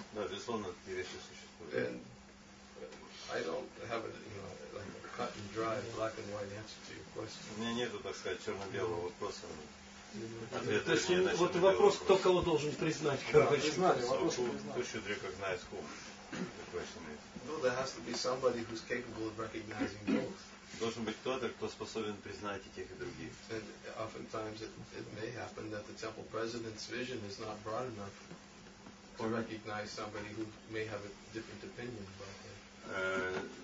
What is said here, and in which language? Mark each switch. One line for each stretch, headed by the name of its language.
Russian: Да, безусловно, эти вещи существуют.
English: I don't have a, you know, like a cut and dry black and white answer to your question.
Russian: У меня нету, так сказать, черно-белого вопроса. То есть вот вопрос, кто кого должен признать, короче. Кто
English: should recognize whom? The question is. Well, there has to be somebody who's capable of recognizing both.
Russian: Должен быть кто-то, кто способен признать и тех, и других.
English: And oftentimes it may happen that the temple president's vision is not broad enough to recognize somebody who may have a different opinion about it.